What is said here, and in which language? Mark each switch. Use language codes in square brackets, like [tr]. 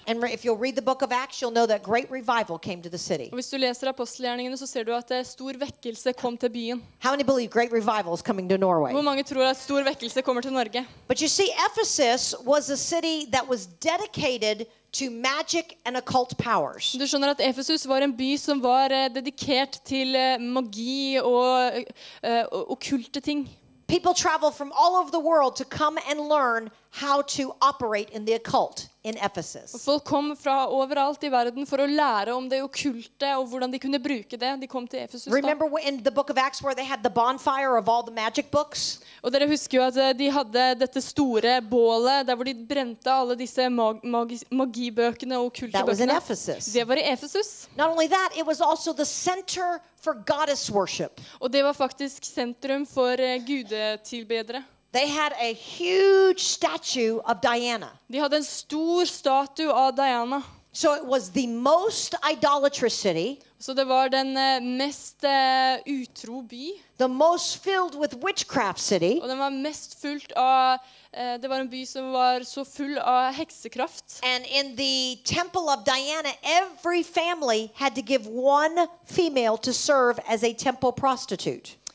[en] And if you'll read the book of Acts, you'll know that great revival came to the city. [no] Hvis du leser apostelgjerningene, så ser du at stor vekkelse kom til byen. [en] How many believe great revival is coming to Norway? [no] Hvor mange tror at stor vekkelse kommer til Norge? [en] But you see, Ephesus was a city that was dedicated to magic and occult powers. [no] Du skjønner at Efesus var en by som var dedikert til magi og okkulte ting. [en] People travel from all over the world to come and learn how to operate in the occult in Ephesus. [no] Folk kom fra overalt I verden for å lære om det okkulte og hvordan de kunne bruke det. De kom til Ephesus. [en] Remember in the book of Acts where they had the bonfire of all the magic books? [no] Og dere husker jo at de hadde dette store bålet der hvor de brente alle disse magibøkene og okkulte bøkene. [en] That was in Ephesus. [no] Det var I Ephesus. [en] Not only that, it was also the center for goddess worship. [no] Og det var faktisk sentrum for gudetilbedere. [en] They had a huge statue of Diana. [no] De hadde en stor statue av Diana. [en] So it was the most idolatrous city. [no] Så det var den mest utro by. [en] The most filled with witchcraft city. [no] Og den var mest fullt av det var en by som var så full av heksekraft. [en] And in the temple of Diana, every family had to give one female to serve as a temple prostitute.